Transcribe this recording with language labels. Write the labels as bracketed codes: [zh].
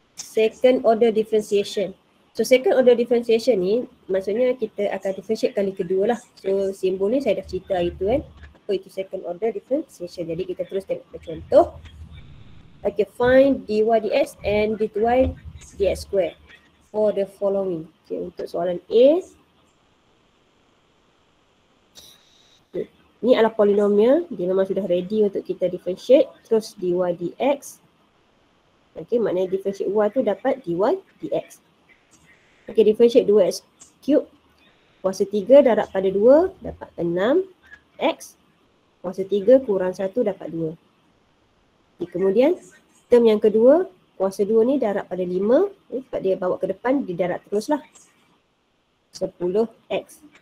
[en] second order differentiation. [ms] So second order differentiation ni maksudnya kita akan differentiate kali kedua lah. So simbol ni saya dah cerita itu kan. So itu second order differentiation. Jadi kita terus tengok contoh. [en] Okay, find dy dx and dy dx square for the following. [ms] Okay, untuk soalan A. Ni adalah polinomial, dia memang sudah ready untuk kita differentiate. Terus dy dx. Okay, maknanya differentiate y tu dapat dy dx. [en] Okay, differentiate 2x cube. [ms] Kuasa 3 darab pada 2 dapat 6x. Kuasa 3 kurang 1 dapat 2. Okay, kemudian term yang kedua, kuasa 2 ni darab pada 5. Sebab dia bawa ke depan, dia darab terus lah. 10x.